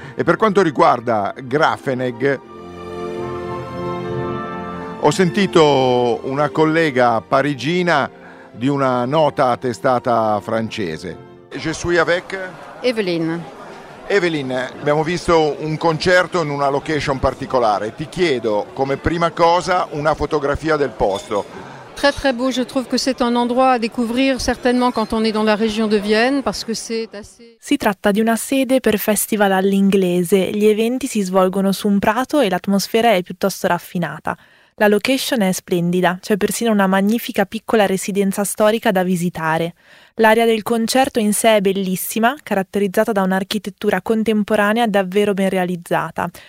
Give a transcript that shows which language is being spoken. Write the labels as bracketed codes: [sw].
[it] E per quanto riguarda Grafenegg ho sentito una collega parigina di una nota testata francese. [fr] Je suis avec Evelyne. [it] Evelyne, abbiamo visto un concerto in una location particolare. Ti chiedo come prima cosa una fotografia del posto. [fr] Très très beau, je trouve que c'est un endroit à découvrir certainement quand on est dans la région de Vienne parce que c'est assez. [it] Si tratta di una sede per festival all'inglese. Gli eventi si svolgono su un prato e l'atmosfera è piuttosto raffinata. La location è splendida, c'è persino una magnifica piccola residenza storica da visitare. L'area del concerto in sé è bellissima, caratterizzata da un'architettura contemporanea davvero ben realizzata.